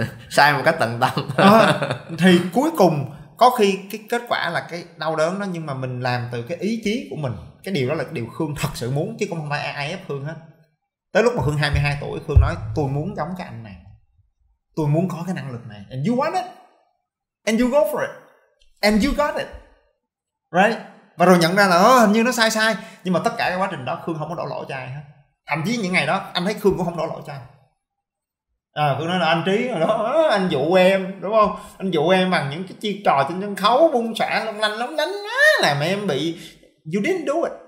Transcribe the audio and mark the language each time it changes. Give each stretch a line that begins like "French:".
Vietnamese: Sai một cách tận tâm. Thì cuối cùng có khi cái kết quả là cái đau đớn đó, nhưng mà mình làm từ cái ý chí của mình. Cái điều đó là điều Khương thật sự muốn, chứ không phải ai ép Khương hết. Tới lúc mà Khương 22 tuổi, Khương nói tôi muốn giống cái anh này, tôi muốn có cái năng lực này.
English: And you want it, and you go for it, and you got it, right?
Vietnamese: Và rồi nhận ra là hình như nó sai sai. Nhưng mà tất cả cái quá trình đó Khương không có đổ lỗi cho ai hết. Thậm chí những ngày đó anh thấy Khương cũng không đổ lỗi cho ai. Khương nói là anh Trí rồi đó, anh dụ em đúng không, anh dụ em bằng những cái chiêu trò trên sân khấu bung xả long lanh lóng lánh á, làm em bị
English: you didn't do it.